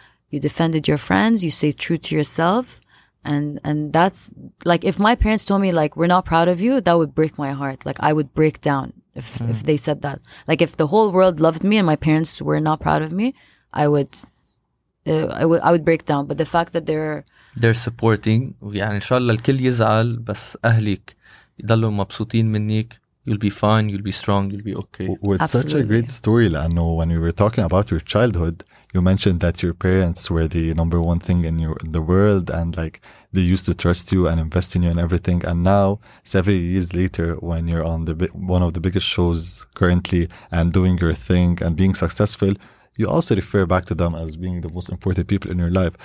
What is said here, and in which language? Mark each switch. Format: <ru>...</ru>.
<en>You defended your friends. You stayed true to yourself. And that's like, if my parents told me, like, we're not proud of you, that would break my heart. Like, I would break down if they said that. Like, if the whole world loved me and my parents were not proud of me, I would break down. But the fact that they're supporting,</en> <ar>يعني إن شاء الله الكل يزعل بس أهلك يضلوا مبسوطين منك.</ar> <en>You'll be fine. You'll be strong. You'll be okay. Well, it's absolutely such a great story, Lano. When we were talking about your childhood, you mentioned that your parents were the number one thing in the world, and like they used to trust you and invest in you and everything. And now, several years later, when you're on one of the biggest shows currently and doing your thing and being successful, you also refer back to them as being the most important people in your life.</en>